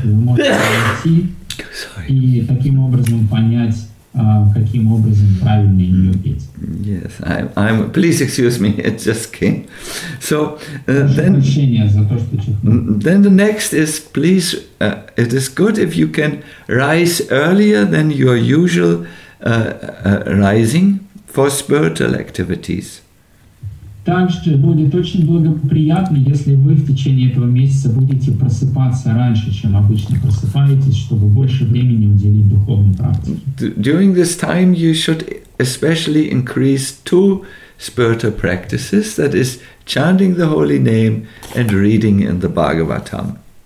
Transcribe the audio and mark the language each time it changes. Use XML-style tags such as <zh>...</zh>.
<ru>Вы можете найти и таким образом понять, каким образом правильно ее петь.</ru> <en>Yes, I'm. Please excuse me. It just came. So then.</en> <ru>Прощение за то, что чихнул.</ru> <en>Then the next is please. It is good if you can rise earlier than your usual rising for spiritual activities.</en> <ru>Также будет очень благоприятно, если вы в течение этого месяца будете просыпаться раньше, чем обычно просыпаетесь, чтобы больше времени уделить духовной практике.</ru> <en>During this time you should especially increase two spiritual practices, that is chanting the holy name and reading in the Bhagavatam.</en>